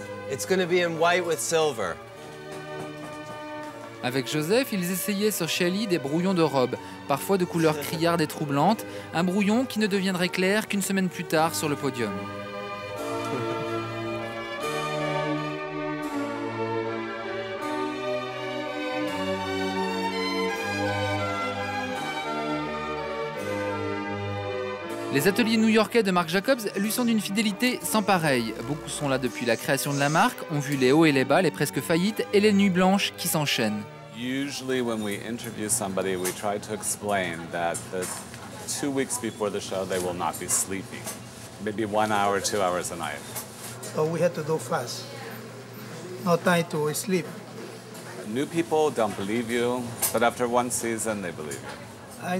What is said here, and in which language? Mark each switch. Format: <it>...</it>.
<en>It's going to be in white with silver.</en> <fr>Avec Joseph, ils essayaient sur Shelley des brouillons de robe, parfois de couleurs criardes et troublantes, un brouillon qui ne deviendrait clair qu'une semaine plus tard sur le podium. Les ateliers new-yorkais de Marc Jacobs lui sont d'une fidélité sans pareille. Beaucoup sont là depuis la création de la marque, ont vu les hauts et les bas, les presque faillites et les nuits blanches qui s'enchaînent.</fr> <en>Usually when we interview somebody, we try to explain that the 2 weeks before the show, they will not be sleeping. Maybe 1 hour, 2 hours a night. So we had to do fast. No time to sleep. New people don't believe you, but after one season, they believe you.</en>